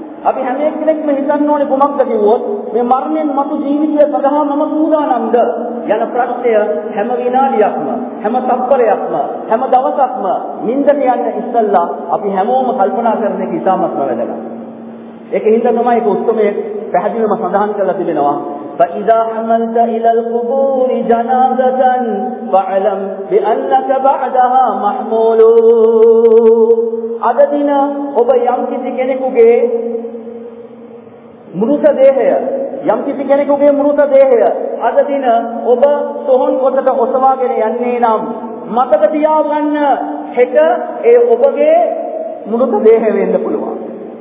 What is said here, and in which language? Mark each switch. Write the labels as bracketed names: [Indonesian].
[Sinhala] අපි හැම කෙනෙක්ම හිතන්න ඕනේ කොමක්ද කිව්වොත් මේ මරණයෙන් මතු ජීවිතය සඳහා මම සූදානම්ද යන ප්‍රශ්නය හැම විනාඩියක්ම හැම තත්පරයක්ම හැම දවසක්ම නිින්දට යන්න ඉස්සෙල්ලා අපි හැමෝම කල්පනා කරන එක ඉතාමත් වැදගත්. ඒකින්ද තමයි ඒක උත්තරමේ පැහැදිලිවම සඳහන් කරලා තිබෙනවා. [Arabic] فإذا حملت إلى القبور جنازة فاعلم بأنك بعدها محمول. [Sinhala] අද දින ඔබ යම් කිසි කෙනෙකුගේ මෘත දේහය අද දින ඔබ සොහොන් කොටට ඔසවාගෙන යන්නේ නම් මතක තියාගන්න හෙට ඒ ඔබගේ මෘත දේහය වෙන්න පුළුවන්.